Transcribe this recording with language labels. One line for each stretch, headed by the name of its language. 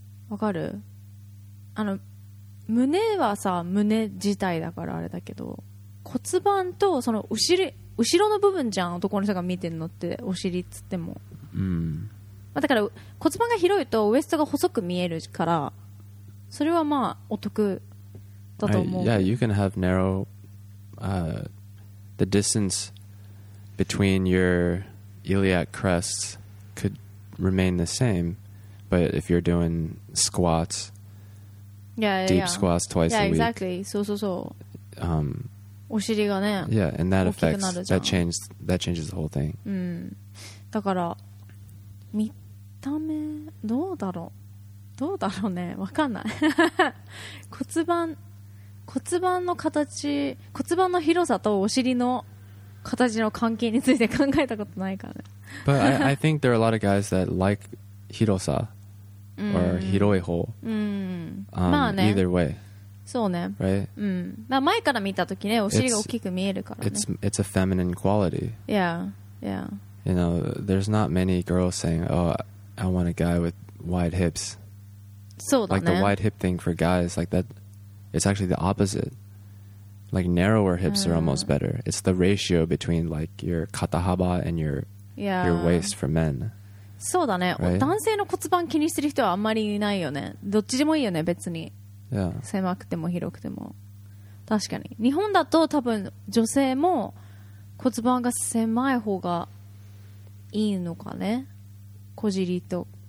Japanese: わかる？あの胸はさ胸自体だからあれだけど骨盤とその後ろの部分じゃん男の人が見てんのってお尻っつっても、まあ、だから骨盤が広いとウエストが細く見えるからそれはまあお得
English: Yeah, you can have narrow the distance between your iliac crests could remain the same, but if you're doing squats, squats twice yeah, yeah, exactly. So, so, so.
Japanese: お尻がね、
English: yeah, and that affects that changes the whole thing.
Japanese: だから見た目どうだろうどうだろうねわかんない骨盤の広さとお尻の形の関係について考えたことないからね。
English: But I think there are a lot of guys that like
Japanese: 広さ
English: or
Japanese: 広い方。まあね。
English: Either way。
Japanese: そうね。
English: Right?
Japanese: まあ前から見たときね、お尻が大きく見えるからね。
English: It's a feminine quality. Yeah, yeah. You know, there's not many girls saying, "Oh, I want a guy with wide hips."
Japanese: そうだね。
English: Like the wide hip thing for guys, like that. It's actually the opposite. Like narrower hips are almost better. It's the ratio between like your
Japanese: 肩幅
English: and your your waist for men.
Japanese: そうだね。
English: Right?
Japanese: 男性の骨盤気にする人はあんまりいないよね。どっちでもいいよね、別に。
English: Yeah.
Japanese: 狭くても広くても。確かに。日本だと多分女性も骨盤が狭い方がいいのかね。こじりと。